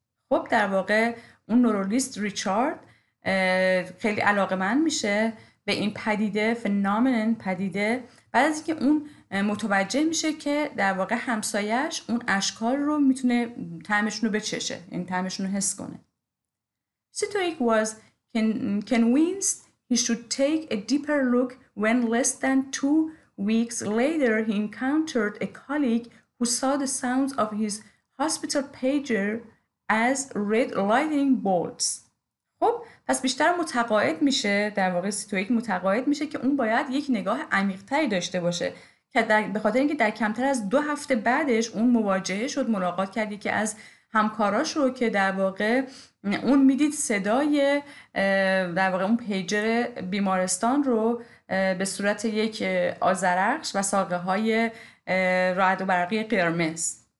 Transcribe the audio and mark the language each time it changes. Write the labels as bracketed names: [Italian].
[Persian] خب در واقع اون نورولوژیست ریچارد خیلی علاقه‌مند میشه به این پدیده، فنامنن پدیده، بعد از اینکه اون متوجه میشه که در واقع همسایه‌اش اون اشکال رو میتونه طعمشون رو بچشه، این طعمشون رو حس کنه. [English] Sitwick was convinced he should take a deeper look when less than 2 weeks later he encountered a colleague who saw the sounds of his hospital pager as red lightning bolts. [Persian] خب پس بیشتر متقاعد میشه، در واقع سیتویک متقاعد میشه که اون باید یک نگاه عمیق‌تری داشته باشه، که به خاطر اینکه در کمتر از 2 هفته بعدش اون مواجهه شد، ملاقات کرد که از همکاراش رو که در واقع اون میدید صدای در واقع اون پیجر بیمارستان رو به صورت یک آذرخش و ساقه های رعد و برقی قرمز.